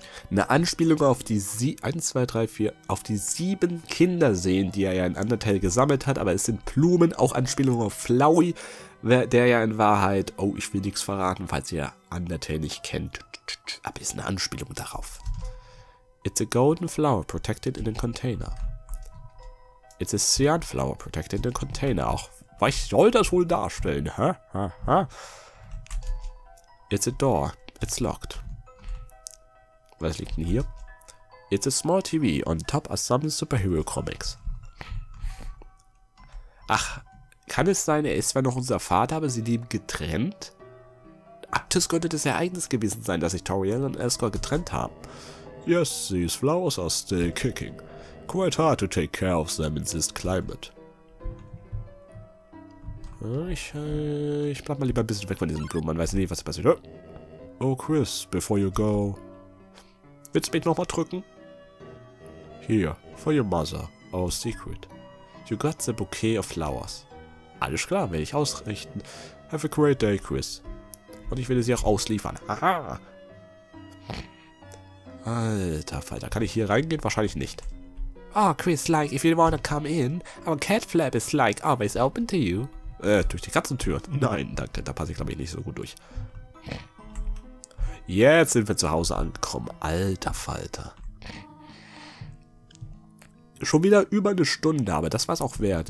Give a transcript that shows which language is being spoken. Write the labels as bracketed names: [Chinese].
[German] Eine Anspielung auf die 1, 2, 3, 4, auf die 7 Kinderseen, die er ja in Undertale gesammelt hat, aber es sind Blumen, auch Anspielungen auf Flowey, der ja in Wahrheit, oh, ich will nichts verraten, falls ihr Undertale nicht kennt, aber es ist eine Anspielung darauf. [English] It's a golden flower protected in a container. It's a cyan flower protected in a container, [German] auch, was soll das wohl darstellen, hä? [English] It's a door, it's locked. [German] Was liegt denn hier? [English] It's a small TV on top of some superhero comics. [German] Ach, kann es sein, er ist zwar noch unser Vater, aber sie leben getrennt? Aktus könnte das Ereignis gewesen sein, dass sich Toriel und Eskor getrennt haben. [English] Yes, these flowers are still kicking. Quite hard to take care of them in this climate. [German] Ich bleib mal lieber ein bisschen weg von diesen Blumen, man weiß nicht, was passiert. [English] Oh, Chris, before you go... [German] Willst du mich nochmal drücken? [English] Here, for your mother, our secret. You got the bouquet of flowers. [German] Alles klar, werde ich ausrichten. [English] Have a great day, Chris. [German] Und ich werde sie auch ausliefern. Aha! Alter Falter, kann ich hier reingehen? Wahrscheinlich nicht. [English] Oh, Chris, like, if you wanna come in, our cat flap is like always open to you. [German] Durch die Katzentür? Nein, danke, da passe ich glaube ich nicht so gut durch. Jetzt sind wir zu Hause angekommen, alter Falter. Schon wieder über eine Stunde, aber das war es auch wert.